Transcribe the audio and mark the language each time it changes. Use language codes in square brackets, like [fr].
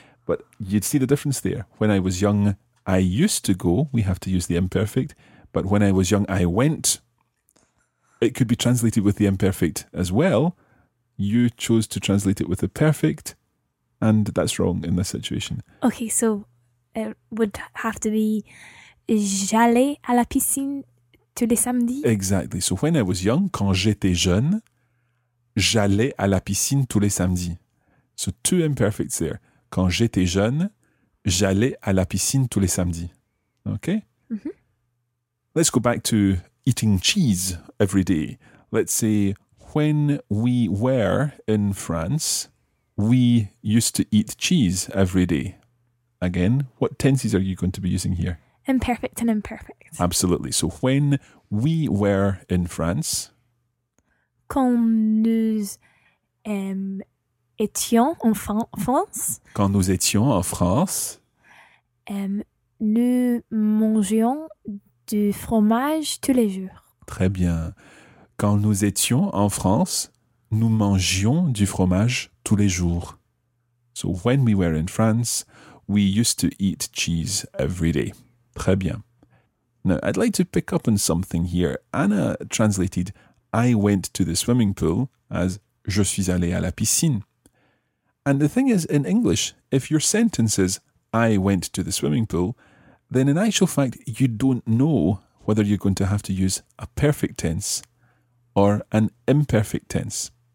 [en] But you'd see the difference there. When I was young, I used to go. We have to use the imperfect. But when I was young, I went. It could be translated with the imperfect as well. You chose to translate it with the perfect. And that's wrong in this situation. Okay, so it would have to be... [fr] J'allais à la piscine tous les samedis. [en] Exactly. So when I was young, [fr] quand j'étais jeune, j'allais à la piscine tous les samedis. [en] So two imperfects there. [fr] Quand j'étais jeune, j'allais à la piscine tous les samedis. [en] Okay? Mm-hmm. Let's go back to eating cheese every day. Let's say when we were in France, we used to eat cheese every day. Again, what tenses are you going to be using here? Imperfect and imperfect. Absolutely. So when we were in France. [fr] Quand nous étions en France. Quand nous étions en France. Nous mangeions du fromage tous les jours. Très bien. Quand nous étions en France, nous mangions du fromage tous les jours. [en] So when we were in France, we used to eat cheese every day. [fr] Très bien. [en] Now, I'd like to pick up on something here. Anna translated, I went to the swimming pool as [fr] je suis allé à la piscine. [en] And the thing is, in English, if your sentence is I went to the swimming pool, then in actual fact, you don't know whether you're going to have to use a perfect tense or an imperfect tense.